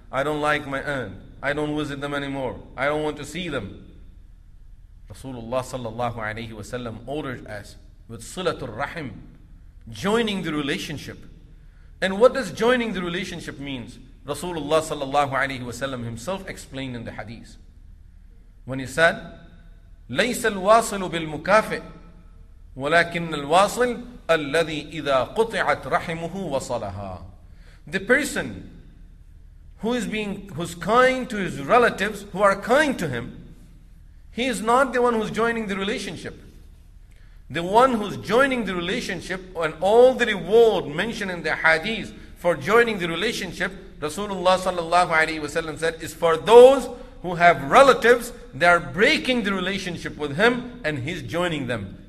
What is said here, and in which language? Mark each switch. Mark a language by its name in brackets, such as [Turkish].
[English] I don't like my aunt. I don't visit them anymore. I don't want to see them. Rasulullah sallallahu alayhi wa sallam ordered us with silatul rahim, joining the relationship. And what does joining the relationship means? Rasulullah sallallahu alayhi wa sallam himself explained in the hadith. When he said, [Arabic] لَيْسَ الْوَاصِلُ بِالْمُكَافِئِ وَلَكِنَّ الْوَاصِلُ الَّذِي إِذَا قُطِعَتْ رَحِمُهُ وَصَلَهَا. [English] The person who is being, who's kind to his relatives, who are kind to him, he is not the one who's joining the relationship. The one who's joining the relationship, and all the reward mentioned in the hadith for joining the relationship, Rasulullah sallallahu alayhi wa sallam said, is for those who have relatives, they are breaking the relationship with him and he's joining them.